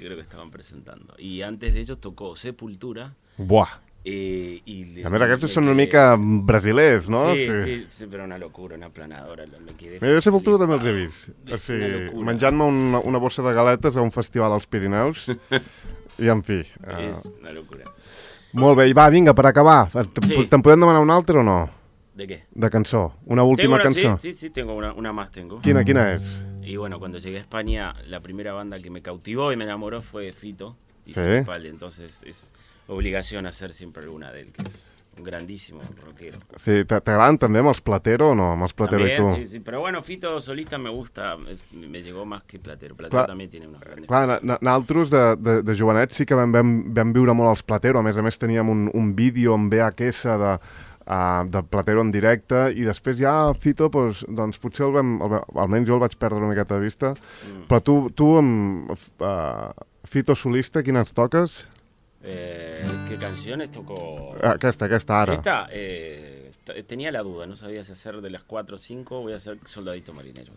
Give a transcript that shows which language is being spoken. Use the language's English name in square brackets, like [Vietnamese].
[Spanish] creo que estaban presentando. Y antes de ellos tocó Sepultura. Buah! [Catalan] I a més, aquests són una mica brasilers, no? Sí, però una locura, una planadora. Jo sé que també els he vist. Sí, menjant-me una bossa de galetes a un festival als Pirineus. I, en fi... És una locura. Molt bé, i va, vinga, per acabar. Te'n podem demanar una altra o no? [Spanish] ¿De qué? [Catalan] De cançó. Una última cançó. [Spanish] Sí, tengo una más. [Catalan] Quina és? [Spanish] Y bueno, cuando llegué a España, la primera banda que me cautivó y me enamoró fue Fito. Sí. Entonces, es... obligación hacer siempre alguna de él, que es un grandísimo rockero. [Catalan] Sí, ¿t'agraden també amb els Platero o no? Amb els Platero [Spanish] también, [Catalan] i tu. [Spanish] Sí, però bueno, Fito solista me gusta, me llegó más que Platero. Platero també tiene unos grandes... [Catalan] Clar, nosaltres de jovenets sí que vam viure molt els Platero, a més teníem un vídeo en VHS de Platero en directe, i després ja Fito, doncs potser almenys jo el vaig perdre una miqueta de vista, però tu amb Fito solista, quines toques? [Spanish] ¿Qué canciones tocó? [Catalan] Aquesta, ara. [Spanish] Esta, tenía la duda, no sabía si hacer de las 4 o 5, voy a hacer Soldadito Marinero.